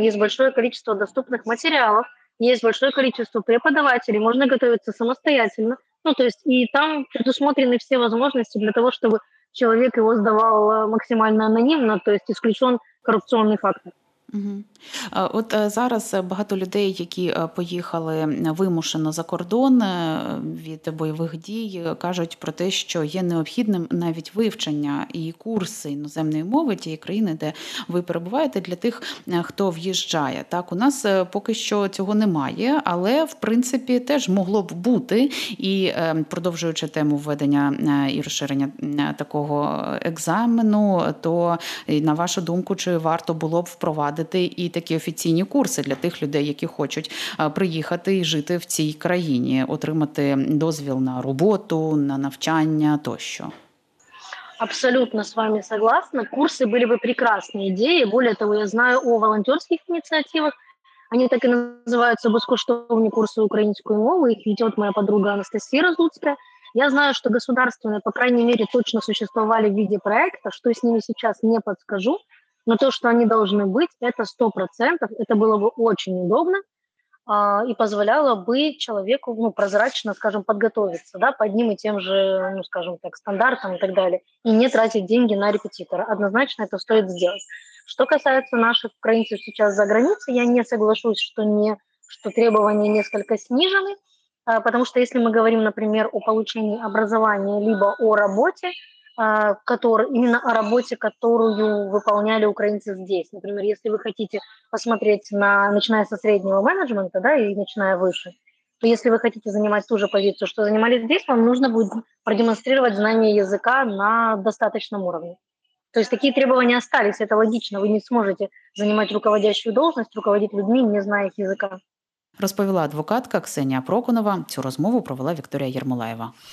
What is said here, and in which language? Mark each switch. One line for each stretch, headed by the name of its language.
Russian: Есть большое количество доступных материалов, есть большое количество преподавателей, можно готовиться самостоятельно. Ну, то есть, и там предусмотрены все возможности для того, чтобы человек его сдавал максимально анонимно, то есть исключен коррупционный фактор. Угу.
Ukrainian: От зараз багато людей, які поїхали вимушено за кордон від бойових дій, кажуть про те, що є необхідним навіть вивчення і курси іноземної мови тієї країни, де ви перебуваєте, для тих, хто в'їжджає. Так, у нас поки що цього немає, але, в принципі, теж могло б бути, і продовжуючи тему введення і розширення такого екзамену, то, на вашу думку, чи варто було б впровадити і такі офіційні курси для тих людей, які хочуть приїхати і жити в цій країні, отримати дозвіл на роботу, на навчання тощо. Абсолютно з вами согласна. Курси були б прекрасні ідеї. Більше того, я знаю о волонтерських ініціативах. Вони так і називаються безкоштовні курси української мови. Їх веде моя подруга Анастасія Розуцька. Я знаю, що державні, по крайній мірі, точно существували в виде проекту. Що з ними зараз, не підскажу.
Russian: Но то, что они должны быть, это 100%, это было бы очень удобно и позволяло бы человеку, ну, прозрачно, скажем, подготовиться, да, под ним и тем же, ну, скажем так, стандартом и так далее, и не тратить деньги на репетитора. Однозначно это стоит сделать. Что касается наших украинцев сейчас за границей, я не соглашусь, что требования несколько снижены, потому что если мы говорим, например, о получении образования либо о работе, именно о работе, которую выполняли украинцы здесь. Например, если вы хотите посмотреть на, начиная со среднего менеджмента, да, и начиная выше, то если вы хотите занимать ту же позицию, что занимали здесь, вам нужно будет продемонстрировать знание языка на достаточном уровне. То есть такие требования остались, это логично, вы не сможете занимать руководящую должность, руководить людьми, не зная их языка.
Ukrainian: Розповіла адвокатка Ксенія Проконова. Цю розмову провела Вікторія Єрмолаєва.